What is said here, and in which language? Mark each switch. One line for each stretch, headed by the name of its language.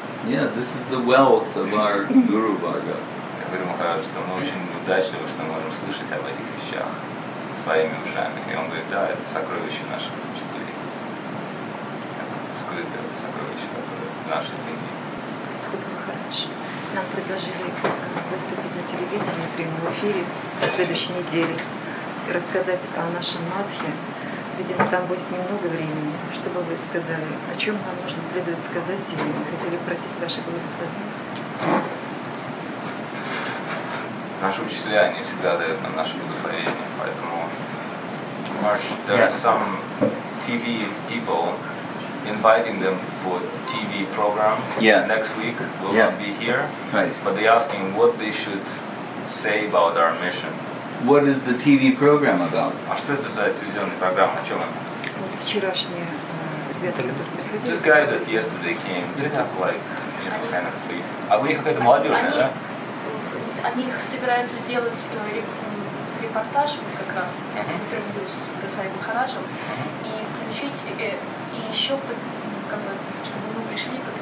English: Yeah, this is the wealth of our Guru Bhaga.
Russian: Я говорю Махараджу, что мы очень удачливы, что мы можем слышать об этих вещах своими ушами. И он говорит, да, это сокровище наших учителей. Это скрытое сокровище, которое в нашей линии. Откуда Махарадж? Нам предложили выступить на телевидении, прямо в эфире на следующей неделе и рассказать о нашем Мадхе. Видимо, там будет немного времени. Что бы вы сказали? О чем нам нужно следует сказать? И хотели просить ваше благословение. Наши учителя, они всегда дают нам наше благословение, поэтому Марш,
English: there are some TV people inviting them for TV program next week. We'll not be here, right. But they're asking what they should say about our mission. What is the TV program about?
Russian: А что это за телевизионная программа, о чем она? Вот вчерашние ребята, которые приходили.
English: These guys that yesterday came, they talk like, you know, kind of free.
Russian: А у них какая-то молодежная, да? Они собираются сделать репортаж как раз, интервью с Гасай Махараджем, и включить, и еще, как бы, чтобы мы пришли